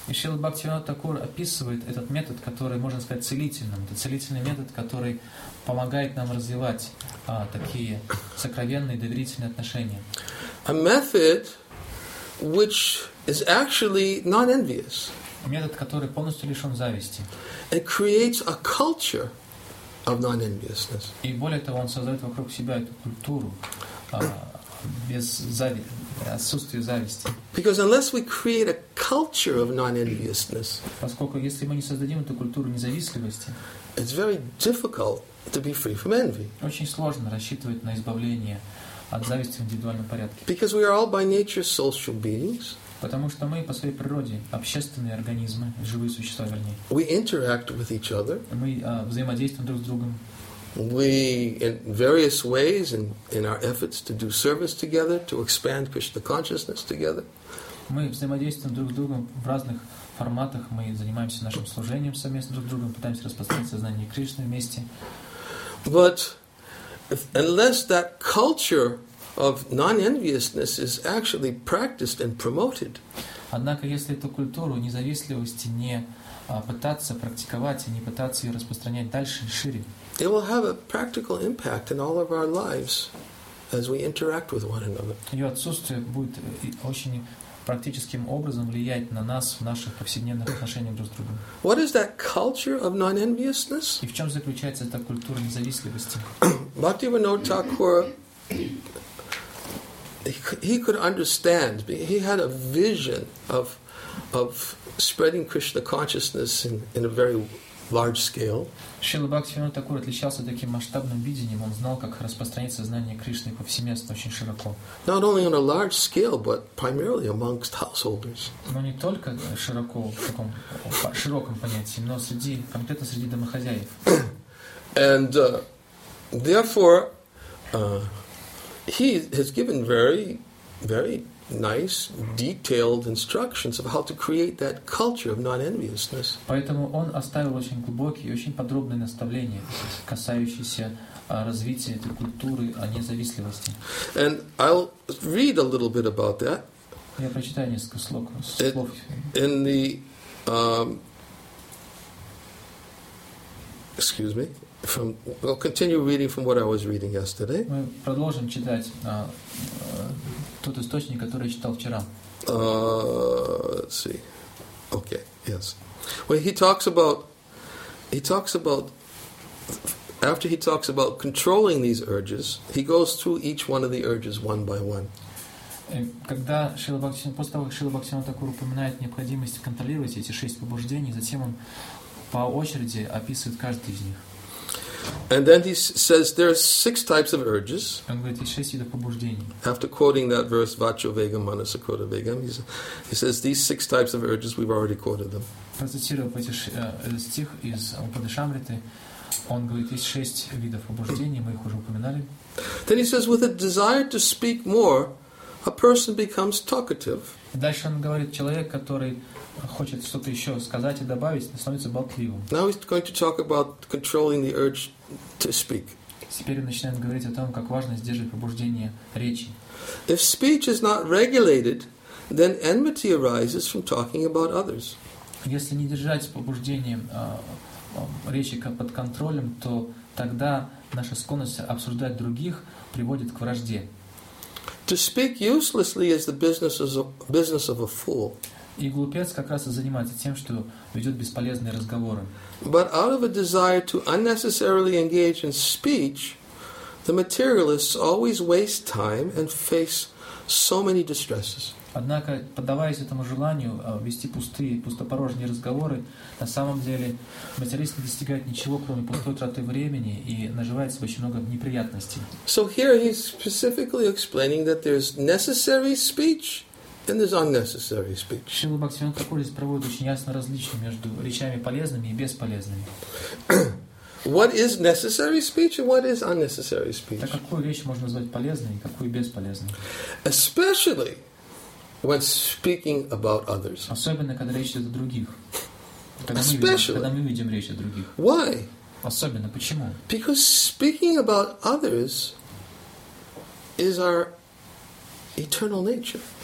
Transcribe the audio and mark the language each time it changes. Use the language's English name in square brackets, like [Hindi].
[Russian] И Шрила Бхактивинода Такур описывает этот метод, который, можно сказать, целительным. Это целительный метод, который помогает нам развивать такие сокровенные доверительные отношения. [English] A method which is actually non-envious. [Russian] Метод, который полностью лишен зависти. [English] It creates a culture of non-enviousness. [Russian] И более того, он создает вокруг себя эту культуру без зависти, отсутствия зависти. [English] Because unless we create a culture of non-enviousness, [Russian] поскольку если мы не создадим эту культуру независимости, [English] it's very difficult to be free from envy. [Russian] Очень сложно рассчитывать на избавление от зависти в индивидуальном порядке. [English] Because we are all by nature social beings. [Russian] Потому что мы по своей природе общественные организмы, живые существа, вернее. [English] We interact with each other. [Russian] Мы взаимодействуем друг с другом. [English] We, in various ways, in our efforts to do service together, to expand Krishna consciousness together. [Russian] Мы взаимодействуем друг с другом в разных форматах. Мы занимаемся нашим служением совместно друг с другом, пытаемся распространить сознание Кришны вместе. [English] But unless that culture of non-enviousness is actually practiced and promoted. [Russian] Однако, если эту культуру независимости не пытаться практиковать и не пытаться ее распространять дальше и шире, [English] it will have a practical impact in all of our lives as we interact with one another. [Russian] Ее отсутствие будет очень практическим образом влиять на нас в наших повседневных отношениях друг с другом. [English] What is that culture of non-enviousness? [Russian] И в чем заключается эта культура независимости? [English] Bhaktivinoda Thakur, he could understand, he had a vision of spreading Krishna consciousness in a very large scale. [Russian] Шрила Бхактивинода Такур отличался таким масштабным видением. Он знал, как распространить сознание Кришны повсеместно, очень широко. [English] Not only on a large scale, but primarily amongst householders. [Russian] Но не только широко в таком широком понятии, но среди конкретно среди домохозяев. [English] And therefore, he has given very, very nice, detailed instructions of how to create that culture of non-enviousness. [Russian] Поэтому он оставил очень глубокие и очень подробные наставления, касающиеся развития этой культуры независимости. [English] And I'll read a little bit about that. [Russian] Я прочитаю несколько слов. [English] In the excuse me. From, we'll continue reading from what I was reading yesterday. [Russian] Мы продолжим читать тот источник, который я читал вчера. [English] Let's see. Okay, yes. Well, he talks about after he talks about controlling these urges, he goes through each one of the urges one by one. [Russian] Когда Шрила Бхактивинода, после того, как Шрила Бхактивинода Такур упоминает необходимость контролировать эти шесть побуждений, затем он по очереди описывает каждый из них. [English] And then he says there are six types of urges. [Russian] Он говорит, есть шесть видов побуждений. [English] After quoting that verse, [Sanskrit] Vacho Vegam Manasa Krodha Vegam, [English] he says these six types of urges, we've already quoted them. [Russian] Процитировав эти стих из Упанишамриты, он говорит, есть шесть видов побуждений, мы их уже упоминали. [English] Then he says, with a desire to speak more, a person becomes talkative. [Russian] Дальше он говорит, человек, который хочет что-то еще сказать и добавить, становится болтливым. [English] Now he's going to talk about controlling the urge to speak. [Russian] Теперь он начинает говорить о том, как важно сдерживать побуждение речи. [English] If speech is not regulated, then enmity arises from talking about others. [Russian] Если не держать побуждение речи под контролем, то тогда наша склонность обсуждать других приводит к вражде. [English] To speak uselessly is the business of a fool. [Russian] И глупец как раз и занимается тем, что ведет бесполезные разговоры. [English] But out of a desire to unnecessarily engage in speech, the materialists always waste time and face so many distresses. [Russian] Однако, поддаваясь этому желанию вести пустые, пустопорожние разговоры, на самом деле материалист не достигает ничего, кроме пустой траты времени и наживает себе очень много неприятностей. [English] So here he's specifically explaining that there's necessary speech and there's unnecessary speech. [Russian] Шрила Бхактивинода Тхакур здесь проводит очень ясное различие между речами полезными и бесполезными. [English] What is necessary speech and what is unnecessary speech? [Russian] Так какую речь можно назвать полезной и какую бесполезной? [English] Especially when speaking about others. [Russian] Особенно когда речь идет о других. [English] Especially. [Russian] Когда мы видим речь о других. [English] Why? [Russian] Особенно почему? [English] Because speaking about others is our eternal nature.